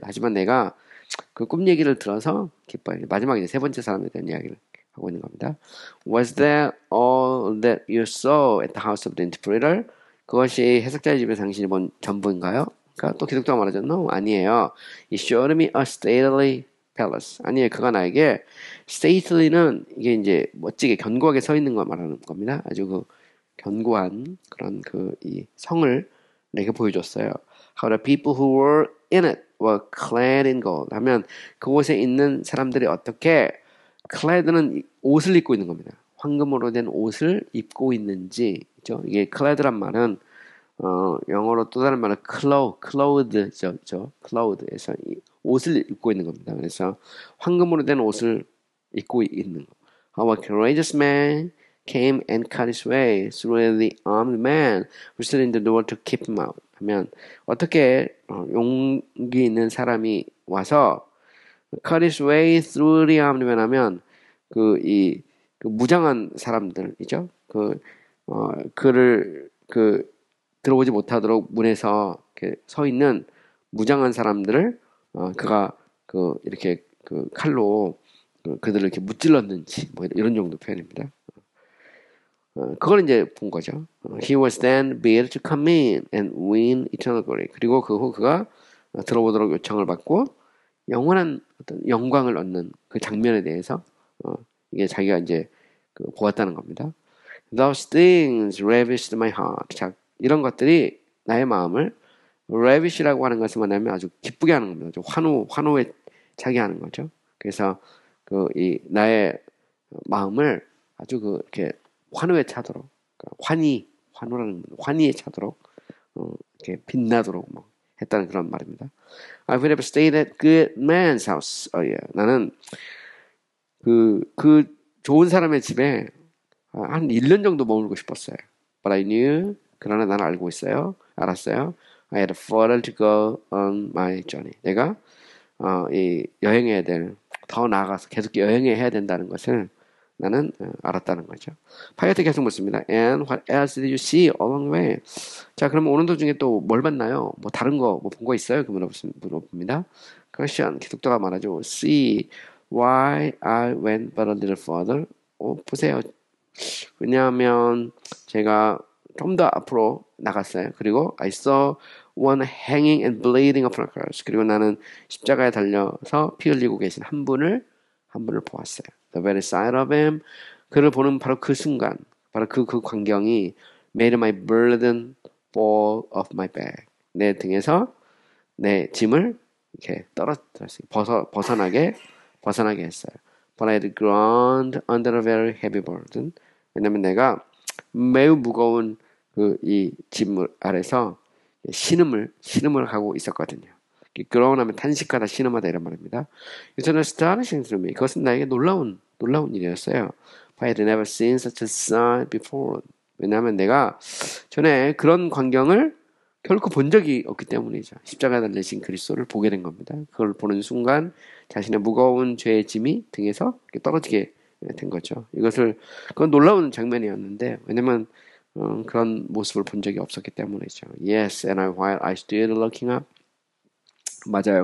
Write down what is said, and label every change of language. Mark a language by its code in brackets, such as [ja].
[ko] 하지만 내가 그꿈 얘기를 들어서 기뻐해. 마지막 이제 세 번째 사람에 대한 이야기를 하고 있는 겁니다. [en] Was that all that you saw at the house of the interpreter? [ko] 그것이 해석자의 집에서 당신이 본 전부인가요? 그러니까 또 기독교가 말하죠. [en] No, [ko] 아니에요. [en] He showed me a stately palace. 아니에요. [ko] 그가 나에게 stately는 이게 이제 멋지게 견고하게 서 있는 걸 말하는 겁니다. 아주 그 견고한 그런 그이 성을 내게 보여줬어요. [en] How the people who were in it were clad in gold. [ko] 하면 그곳에 있는 사람들이 어떻게 clad는 옷을 입고 있는 겁니다. 황금으로 된 옷을 입고 있는지. 그죠? 이게 clad란 말은 영어로 또 다른 말은 clothed에서 옷을 입고 있는 겁니다. 그래서 황금으로 된 옷을 입고 있는 거. [en] How a courageous man came and cut his way through the armed man who stood in the door to keep him out. [ko] 하면 어떻게 용기 있는 사람이 와서 [en] cut his way through the armed man [ko] 하면 그 무장한 사람들이죠. 그를 들어오지 못하도록 문에서 이렇게 서 있는 무장한 사람들을 그가 이렇게 그 칼로 그들을 이렇게 무찔렀는지 뭐 이런 정도 표현입니다. 그걸 이제 본 거죠. [en] He was then bid to come in and win eternal glory. [ko] 그리고 그후 그가 들어오도록 요청을 받고 영원한 어떤 영광을 얻는 그 장면에 대해서 이게 자기가 이제 그 보았다는 겁니다. [en] Those things ravished my heart. [ko] 자, 이런 것들이 나의 마음을 ravish라고 하는 것은 뭐냐면 아주 기쁘게 하는 겁니다. 아주 환호에 차게 하는 거죠. 그래서 나의 마음을 아주 이렇게 환호에 차도록, 환호라는, 환희에 차도록, 이렇게 빛나도록 뭐 했다는 그런 말입니다. [en] I would have stayed at good man's house. Oh, yeah. [ko] 나는 그 좋은 사람의 집에 한 1년 정도 머물고 싶었어요. [en] But I knew, [ko] 그러나 난 알고 있어요. 알았어요. [en] I had further to go on my journey. [ko] 내가, 여행해야 될, 더 나아가서 계속 여행해야 된다는 것을 나는 알았다는 거죠. 파이어트 계속 묻습니다. [en] And what else did you see along the way? [ko] 자, 그럼 오는 도중에 또뭘 봤나요? 뭐 다른 거, 뭐본거 있어요? 그 물어봅니다. Question. 기독교가 말하죠. [en] See why I went but a little further? [ko] 보세요. 왜냐하면 제가 좀더 앞으로 나갔어요. 그리고 [en] I saw one hanging and bleeding upon a cross. [ko] 그리고 나는 십자가에 달려서 피 흘리고 계신 한 분을 보았어요. [en] The very sight of him, [ko] 그를 보는 바로 그 순간, 바로 그 광경이 [en] made my burden fall off my back. [ko] 내 등에서 내 짐을 이렇게 떨어뜨렸어요. 벗어나게 했어요. [en] But I had groaned under a very heavy burden. [ko] 왜냐면 내가 매우 무거운 그이짐 아래서 신음을 하고 있었거든요. grown 하면 탄식하다, 신음하다 이런 말입니다. [en] It's an astonishing to me. [ko] 그것은 나에게 놀라운 일이었어요. [en] I had never seen such a sight before. [ko] 왜냐하면 내가 전에 그런 광경을 결코 본 적이 없기 때문이죠. 십자가 달리신 그리스도를 보게 된 겁니다. 그걸 보는 순간 자신의 무거운 죄의 짐이 등에서 떨어지게 된 거죠. 이것을 그건 놀라운 장면이었는데 왜냐면 그런 모습을 본 적이 없었기 때문이죠. [en] Yes, and while I stood looking up, [ko] 맞아요.